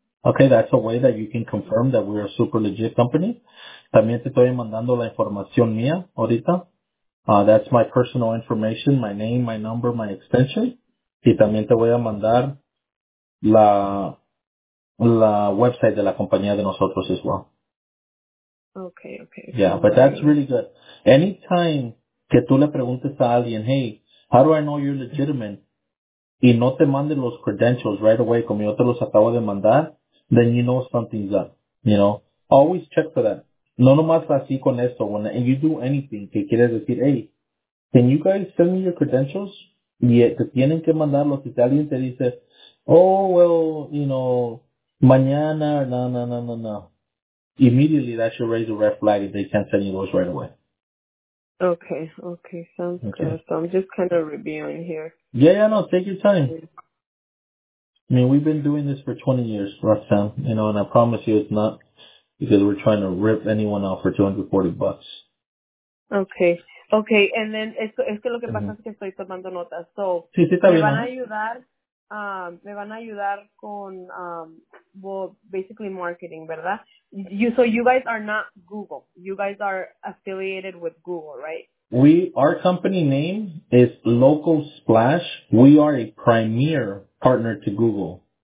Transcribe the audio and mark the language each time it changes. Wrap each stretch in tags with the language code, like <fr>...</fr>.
<en>Okay, that's a way that you can confirm that we are a super legit company.</en> <es>También te estoy mandando la información mía ahorita.</es> <en>That's my personal information, my name, my number, my extension.</en> <es>Y también te voy a mandar la website de la compañía de nosotros</es> <en>as well. Okay, okay. Yeah, but that's really good. Anytime</en> <es>que tú le preguntes a alguien,</es> <en>hey, how do I know you're legitimate?</en> <es>Y no te manden los credentials right away, como yo te los acabo de mandar,</es> <en>then you know something's up, you know? Always check for that.</en> <es>No nomás así con esto,</es> <en>when you do anything,</en> <es>que quieres decir,</es> <en>hey, can you guys send me your credentials?</en> <es>Y te tienen que mandarlos. Si alguien te dice,</es> <en>oh, well, you know,</en> <es>Mañana, no.</es> <en>Immediately, that should raise a red flag if they can't send you those right away. Okay, sounds good. So I'm just kind of reviewing here. Yeah, no, take your time. I mean, we've been doing this for 20 years, Roxanne, you know, and I promise you it's not because we're trying to rip anyone off for $240. Okay, and then</en> <es>es que lo que pasa es que estoy tomando notas. So, me van a ayudar con, basically marketing, ¿verdad?</es> <en>You guys are not Google. You guys are affiliated with Google, right? Our company name is Local Splash. We are a premier partner to Google.</en>